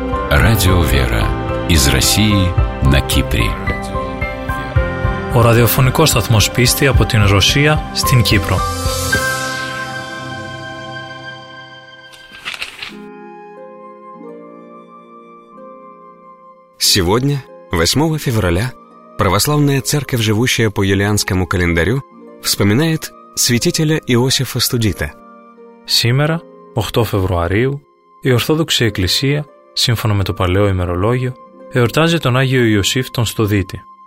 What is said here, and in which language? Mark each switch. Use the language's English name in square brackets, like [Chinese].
[Russian] Радио «Вера» из России на Кипре. [Greek] Ο ραδιοφωνικός σταθμός πίστη από την Ρωσία στην Κύπρο. [Russian] Сегодня, 8 февраля, православная церковь, живущая по юлианскому календарю, вспоминает святителя Иосифа Студита. Сегодня, 8 февраля, [Greek] η Ορθόδοξη Εκκλησία, σύμφωνα με το παλαιό ημερολόγιο, εορτάζει τον Άγιο Ιωσήφ τον Στοδίτη.